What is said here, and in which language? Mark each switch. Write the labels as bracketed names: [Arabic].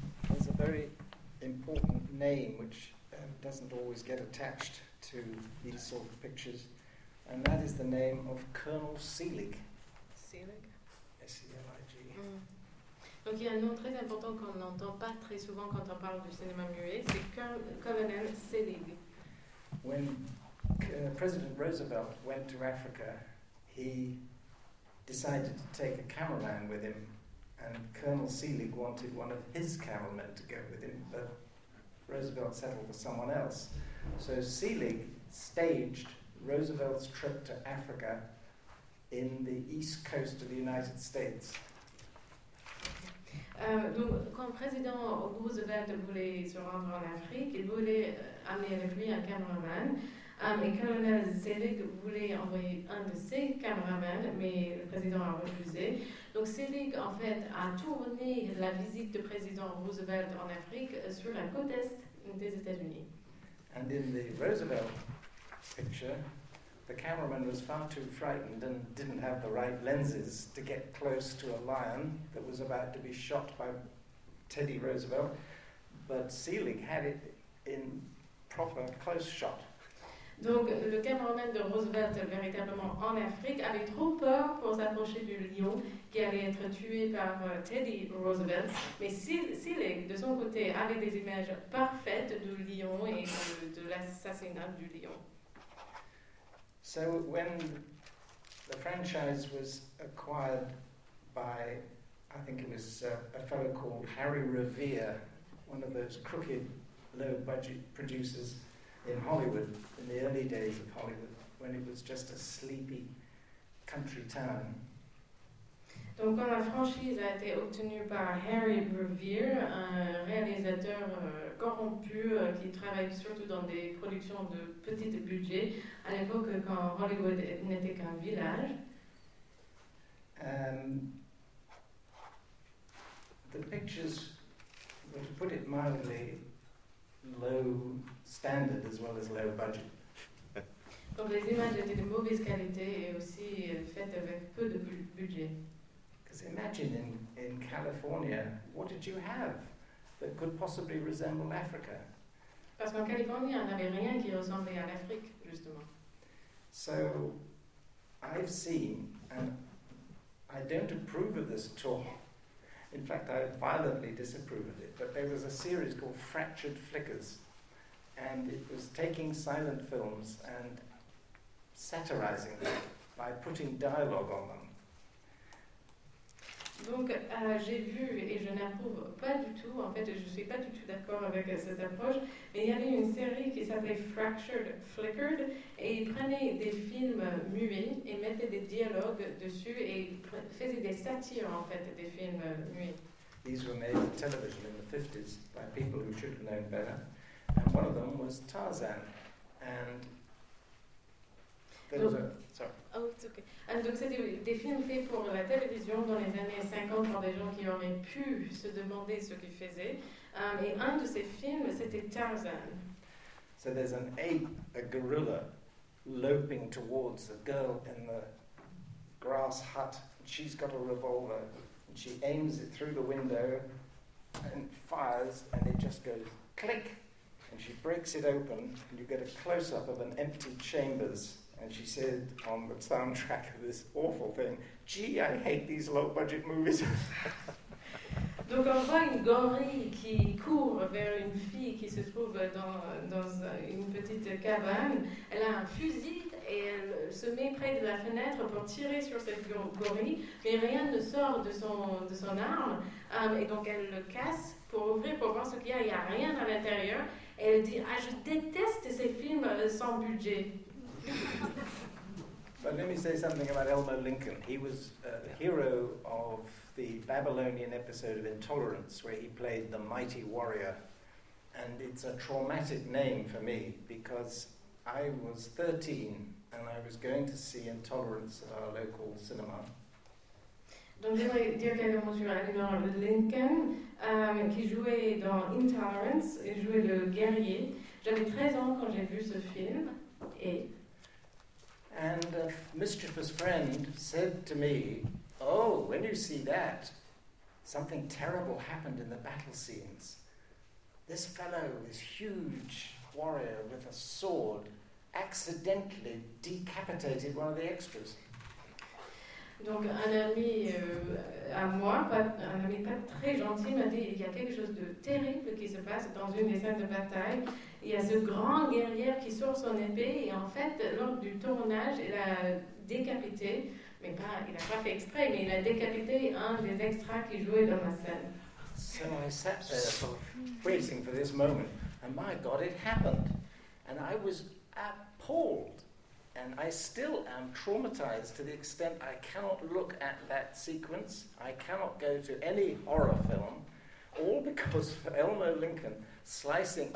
[English] There's a very important name which doesn't always get attached to these sort of pictures, and that is the name of Colonel Selig. Selig? S-E-L-I-G. [French] Donc il y a un nom très important qu'on n'entend pas très souvent quand on parle du cinéma muet, c'est Colonel Selig. [English] When President Roosevelt went to Africa, he decided to take a cameraman with him, and Colonel Selig wanted one of his cameramen to go with him, but Roosevelt settled for someone else. So Selig staged Roosevelt's trip to Africa in the east coast of the United States. [French] Donc, quand le président Roosevelt voulait se rendre en Afrique, il voulait amener avec lui un cameraman. Et Colonel Selig voulait envoyer un de ses caméramans, mais le président a refusé. Donc Selig, en fait, a tourné la visite du président Roosevelt en Afrique sur la côte est des États-Unis. [English] And in the Roosevelt picture, the cameraman was far too frightened and didn't have the right lenses to get close to a lion that was about to be shot by Teddy Roosevelt. But Selig had it in proper close shot. [French] Donc, le cameraman de Roosevelt, véritablement en Afrique, avait trop peur pour s'approcher du lion qui allait être tué par Teddy Roosevelt. Mais Selig, de son côté, avait des images parfaites du lion et de l'assassinat du lion. [English] So, when the franchise was acquired by, I think it was a fellow called Harry Revere, one of those crooked, low-budget producers in Hollywood, in the early days of Hollywood, when it was just a sleepy country town. [French] Donc, quand la franchise a été obtenue par Harry Revere, un réalisateur corrompu qui travaille surtout dans des productions de petit budget, à l'époque quand Hollywood n'était qu'un village. [English] The pictures, to put it mildly, low standard as well as low budget. [French] Donc les images étaient de mauvaise qualité et aussi faites avec peu de budget. [English] Imagine in California, what did you have that could possibly resemble Africa? [French] Parce qu'en Californie, on n'avait rien qui ressemblait à l'Afrique, justement. [English] So, I've seen, and I don't approve of this at all. In fact, I violently disapprove of it. But there was a series called Fractured Flickers, and it was taking silent films and satirizing them by putting dialogue on them. [French] Donc, j'ai vu et je n'approuve pas du tout, en fait, je ne suis pas du tout d'accord avec cette approche, mais il y avait une série qui s'appelait Fractured Flickered, et ils prenaient des films muets et mettaient des dialogues dessus et faisaient des satires, en fait, des films muets. [English] These were made on television in the 50s by people who should have known better, and one of them was Tarzan, and [French] Donc c'était des films faits pour la télévision dans les années 50 par des gens qui auraient pu se demander ce qu'ils faisaient. Et un de ces films, c'était Tarzan. [English] So there's an ape, a gorilla, loping towards a girl in the grass hut. She's got a revolver. And she aims it through the window and fires, and it just goes click, and she breaks it open, and you get a close-up of an empty chambers. And she said on the soundtrack of this awful thing, "Gee, I hate these low-budget movies." [French] Donc on voit une gorille qui court vers une fille qui se trouve dans une petite cabane. Elle a un fusil et elle se met près de la fenêtre pour tirer sur cette gorille, mais rien ne sort de son arme. Et donc elle le casse pour ouvrir pour voir ce qu'il y a. Il y a rien à l'intérieur. Et elle dit, "Ah, je déteste ces films sans budget." [English] But let me say something about Elmer Lincoln. He was the hero of the Babylonian episode of Intolerance, where he played the mighty warrior. And it's a traumatic name for me because I was 13 and I was going to see Intolerance at our local cinema. [French] Donc j'aimerais dire quelques mots sur Eleanor Lincoln, qui jouait dans Intolerance et jouait le guerrier. J'avais 13 ans quand j'ai vu ce film et... [English] And a mischievous friend said to me, oh, when you see that, something terrible happened in the battle scenes. This fellow, this huge warrior with a sword, accidentally decapitated one of the extras. [French] Donc un ami à moi, un ami pas très gentil, m'a dit il y a quelque chose de terrible qui se passe dans une des scènes de bataille. Il y a ce grand guerrier qui sort son épée et en fait, lors du tournage, il a décapité, mais pas, il n'a pas fait exprès, mais il a décapité un des extras qui jouait dans la scène. [English] So I sat there waiting for this moment, and my God, it happened. And I was appalled. And I still am traumatized to the extent I cannot look at that sequence. I cannot go to any horror film, all because of Elmo Lincoln slicing.